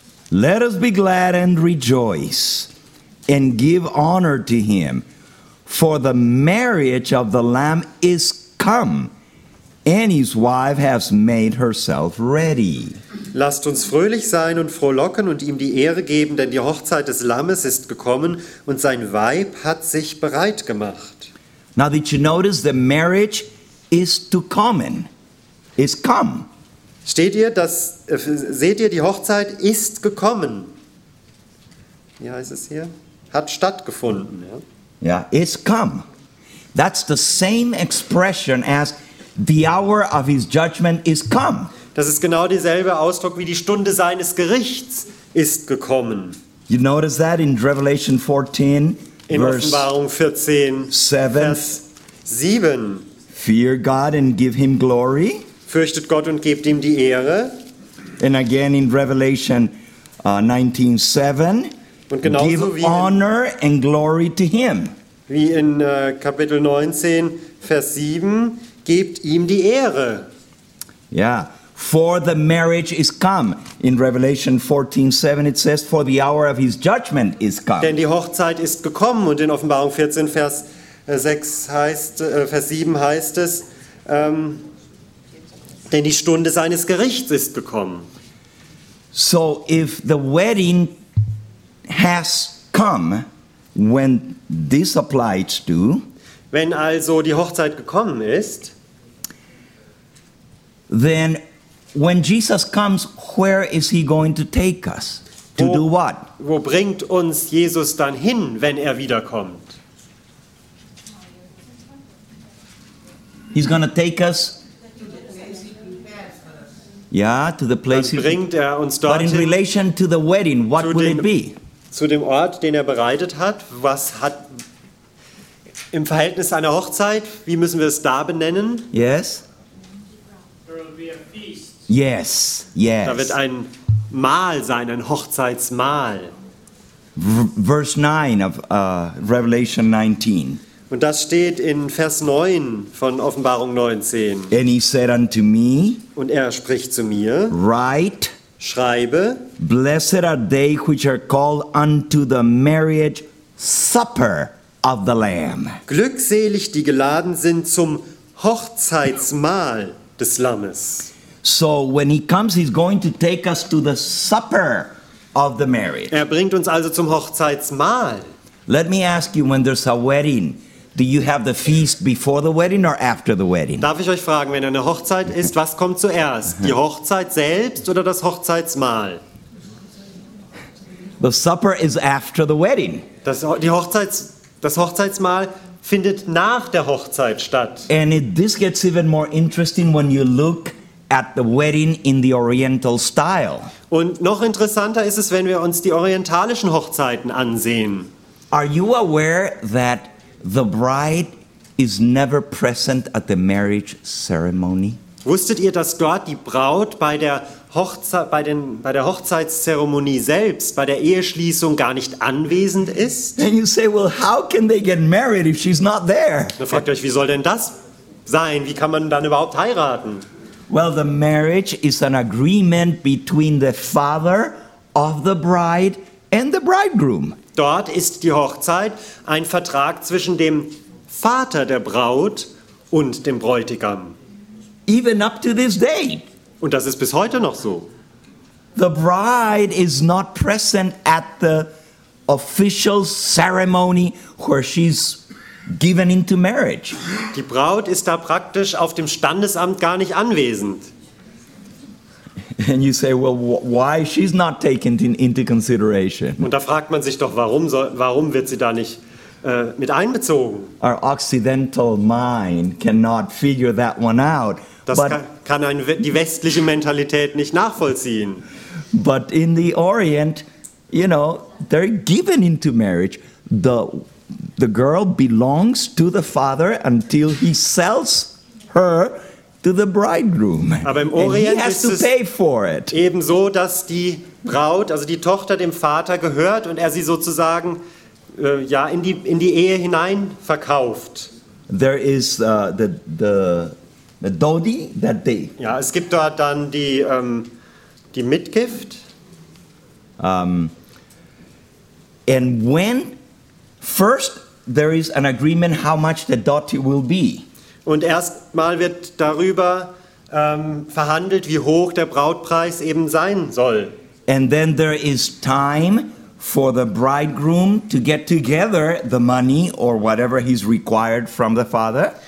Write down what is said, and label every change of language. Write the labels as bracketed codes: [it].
[en] Let us be glad and rejoice and give honor to him. For the marriage of the Lamb is come, and his wife has made herself ready. [de] Lasst uns fröhlich sein und frohlocken und ihm die Ehre geben, denn die Hochzeit des Lammes ist gekommen und sein Weib hat sich bereit gemacht. [en] Now did you notice the marriage is to come, is come. [de] Seht ihr, die Hochzeit ist gekommen. Wie heißt es hier? Hat stattgefunden, ja. [en] Yeah, it's come. That's the same expression as the hour of his judgment is come. [de] Das ist genau dieselbe Ausdruck wie die Stunde seines Gerichts ist gekommen. [en] You notice that in Revelation 14, [de] in Offenbarung 14, Vers 7. [en] Fear God and give him glory. [de] Fürchtet Gott und gebt ihm die Ehre. [en] And again in Revelation 19:7. [de] Und genauso [en] give [de] wie [en] honor in, and glory to him. [de] Wie in Kapitel 19, Vers 7, gebt ihm die Ehre. [en] Yeah, for the marriage is come. In Revelation 14:7 it says, for the hour of his judgment is come. [de] Denn die Hochzeit ist gekommen. Und in Offenbarung 14, Vers 6 heißt, Vers 7 heißt es, denn die Stunde seines Gerichts ist gekommen. [en] So if the wedding has come, when this applies to, [de] wenn also die Hochzeit gekommen ist, [en] then when Jesus comes, where is he going to take us? To do what? [de] Wo bringt uns Jesus dann hin, wenn er wiederkommt? [en] He's going to take us. Yeah, to the place. [de] Dann bringt er uns dorthin. [en] But in relation to the wedding, what will it be? [de] Zu dem Ort, den er bereitet hat. Was hat im Verhältnis einer Hochzeit? Wie müssen wir es da benennen? Yes. Yes, yes. Da wird ein Mahl sein, ein Hochzeitsmahl. [en] Verse 9 of Revelation 19. [de] Und das steht in Vers 9 von Offenbarung 19. [en] And he said unto me, [de] und er spricht zu mir, [en] write, [de] schreibe, [en] blessed are they which are called unto the marriage supper of the Lamb. [de] Glückselig die geladen sind zum Hochzeitsmahl des Lammes. [en] So when he comes, he's going to take us to the supper of the marriage. [de] Er bringt uns also zum Hochzeitsmahl. [en] Let me ask you, when there's a wedding, do you have the feast before the wedding or after the wedding? [de] Darf ich euch fragen, wenn eine Hochzeit ist, was kommt zuerst? Die Hochzeit selbst oder das Hochzeitsmahl? [en] The supper is after the wedding. [de] Das Hochzeitsmahl findet nach der Hochzeit statt. [en] And this gets even more interesting when you look at the wedding in the oriental style. [de] Und noch interessanter ist es, wenn wir uns die orientalischen Hochzeiten ansehen. [en] Are you aware that the bride is never present at the marriage ceremony? [de] Wusstet ihr, dass dort die Braut bei der Hochzeitszeremonie selbst, bei der Eheschließung gar nicht anwesend ist? [en] And you say, well, how can they get married if she's not there? [de] Dann fragt ihr euch, wie soll denn das sein? Wie kann man dann überhaupt heiraten? [en] Well, the marriage is an agreement between the father of the bride and the bridegroom. [de] Dort ist die Hochzeit ein Vertrag zwischen dem Vater der Braut und dem Bräutigam. [en] Even up to this day. [de] Und das ist bis heute noch so. [en] The bride is not present at the official ceremony where she's given into marriage. [de] Die Braut ist da praktisch auf dem Standesamt gar nicht anwesend. [en] And you say, well, why she's not taken into consideration? [de] Und da fragt man sich doch, warum wird sie da nicht mit einbezogen? [en] Our occidental mind cannot figure that one out. [de] Das kann die westliche Mentalität nicht nachvollziehen. [en] But in the Orient, you know, they're given into marriage. The girl belongs to the father until he sells her to the bridegroom. [de] Aber im Orient [en] and he has to pay for it. [de] Ebenso, dass die Braut, also die Tochter, dem Vater gehört und er sie sozusagen in die Ehe hinein verkauft. [en] There is the dodi that day. [de] Ja, es gibt dort dann die Mitgift. [en] And when first there is an agreement how much the dote will be. [de] Und erstmal wird darüber verhandelt, wie hoch der Brautpreis eben sein soll. [en] And then there is time for the bridegroom to get together the money or whatever he's required from the father.